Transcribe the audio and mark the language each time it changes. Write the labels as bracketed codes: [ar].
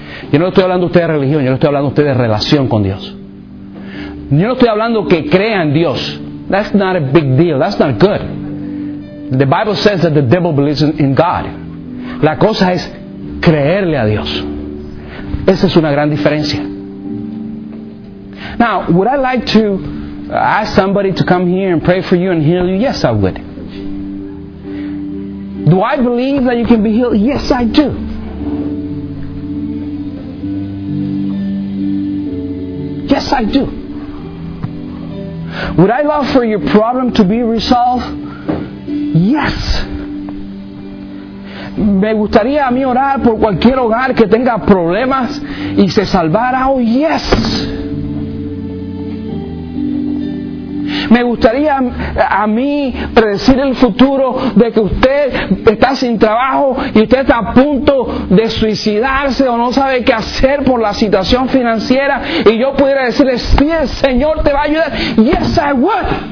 [es] Yo no estoy hablando a usted de religión, yo no estoy hablando a usted de relación con Dios. Yo no estoy hablando que crea en Dios. [en] That's not a big deal. That's not good. The Bible says that the devil believes in God. [es] La cosa es creerle a Dios. Esa es una gran diferencia. [en] Now, would I like to ask somebody to come here and pray for you and heal you? Yes, I would. Do I believe that you can be healed? Yes, I do. Yes, I do. Would I love for your problem to be resolved? Yes. [es] Me gustaría a mí orar por cualquier hogar que tenga problemas y se salvara. [en] Oh, yes. [es] Me gustaría a mí predecir el futuro de que usted está sin trabajo y usted está a punto de suicidarse o no sabe qué hacer por la situación financiera y yo pudiera decirle, sí, el Señor te va a ayudar. [en] Yes, I would.